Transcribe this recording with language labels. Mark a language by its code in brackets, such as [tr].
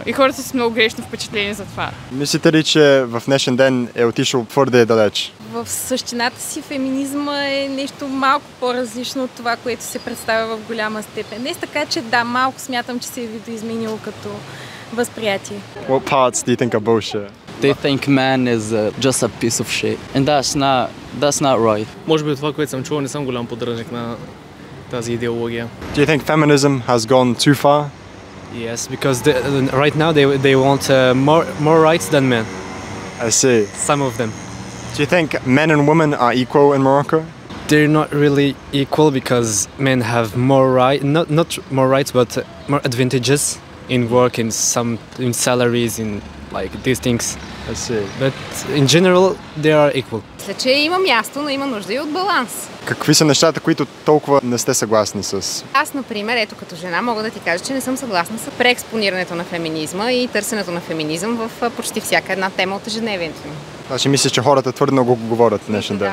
[bg] И хората са с много грешно впечатление за това. Мислите ли, че в днешен ден е отишъл твърде далеч? В същината си феминизма е нещо малко по-различно от това, което се представя в голяма степен. Не е така, че да, малко смятам, че се е видоизменило като възприятие. [en] What parts do you think are bullshit? They think man is just a piece of shit. And that's not right. [bg] Може би това, което съм чувал, не съм голям поддръжник на тази идеология. [en] Do you think feminism has gone too far? Yes, because right now they want more rights than men. I see. Some of them. Do you think men and women are equal in Morocco? They're not really equal because men have more rights, not more rights, but more advantages in work, in salaries, in like these things. I see. But in general, they are equal. [bg] Мисля, че има място, но има нужда и от баланс. Какви са нещата, които толкова не сте съгласни с? Аз, например, ето като жена мога да ти кажа, че не съм съгласна с преекспонирането на феминизма и търсенето на феминизъм в почти всяка една тема от ежедневието ми. Значи мислиш, че хората твърде много го говорят днешен ден?